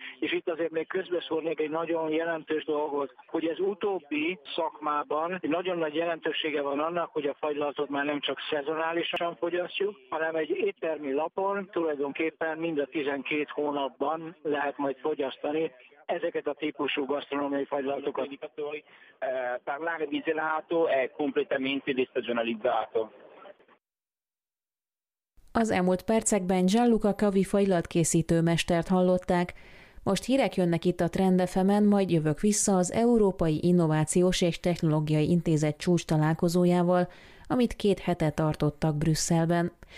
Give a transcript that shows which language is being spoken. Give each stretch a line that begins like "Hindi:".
Hungarian: És itt azért még közbeszólnék egy nagyon jelentős dolgot, hogy ez utóbbi szakmában egy nagyon nagy jelentősége van annak, hogy a fagylaltot már nem csak szezonálisan fogyasztjuk, hanem egy éttermi lapon tulajdonképpen mind a 12 hónapban lehet majd fogyasztani ezeket a típusú gasztronómiai fagylaltokat.
Italian: Parlare di gelato è completamente destagionalizzato.
Hungarian: Az elmúlt percekben Gianluca Cavi fagylaltkészítő mestert hallották. Most hírek jönnek itt a Trend FM-en, majd jövök vissza az Európai Innovációs és Technológiai Intézet csúcs találkozójával, amit két hete tartottak Brüsszelben.